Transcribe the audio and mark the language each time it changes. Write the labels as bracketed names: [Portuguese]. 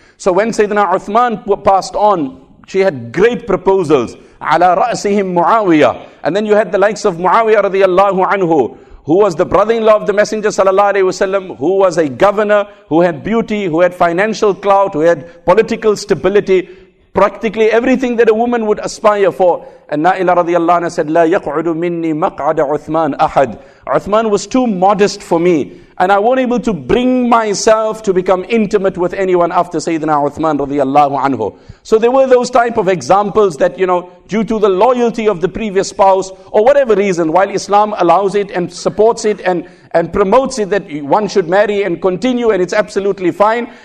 [English] So when Sayyidina Uthman passed on, she had great proposals. [Arabic] Ala ra'sihim [English] Muawiyah. And then you had the likes of Muawiyah radiallahu anhu, who was the brother-in-law of the Messenger sallallahu alaihi wasallam, who was a governor, who had beauty, who had financial clout, who had political stability, practically everything that a woman would aspire for. And Naila radiallahu anha said, [Arabic] لا يقعد مني مقعد عثمان أحد. [English] Uthman was too modest for me, and I won't able to bring myself to become intimate with anyone after Sayyidina Uthman radiallahu anhu. So there were those type of examples that, you know, due to the loyalty of the previous spouse, or whatever reason, while Islam allows it and supports it and promotes it, that one should marry and continue, and it's absolutely fine.